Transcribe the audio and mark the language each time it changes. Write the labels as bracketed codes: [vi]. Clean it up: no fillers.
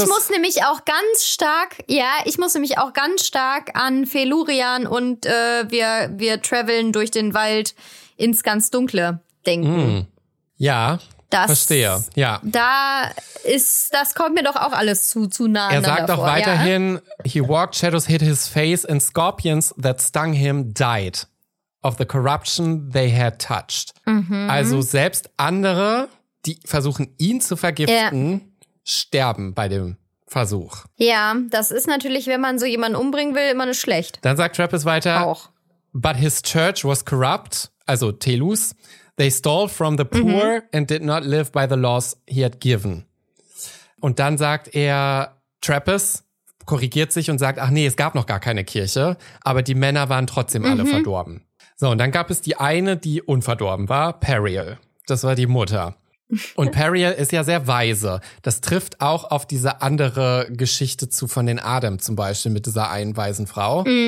[de] Ich muss nämlich auch ganz stark, ja, ich muss nämlich auch ganz stark an Felurian und wir traveln durch den Wald ins ganz Dunkle denken. Ja. Das, verstehe, ja. Da ist, das kommt mir doch auch alles zu nah. Er sagt auch weiterhin, [en] he walked, shadows hit his face and scorpions that stung him died of the corruption they had touched. [de] Also selbst andere, die versuchen ihn zu vergiften, sterben bei dem Versuch. Ja, das ist natürlich, wenn man so jemanden umbringen will, immer eine schlecht. Dann sagt Trappist weiter, auch. [en] But his church was corrupt, also Telus. They stole from the poor and did not live by the laws he had given. [de] Und dann sagt er, Trappist korrigiert sich und sagt, ach nee, es gab noch gar keine Kirche, aber die Männer waren trotzdem alle verdorben. So, und dann gab es die eine, die unverdorben war, Periel. Das war die Mutter. Und Periel ist ja sehr weise. Das trifft auch auf diese andere Geschichte zu von den Adam zum Beispiel mit dieser einen weisen Frau.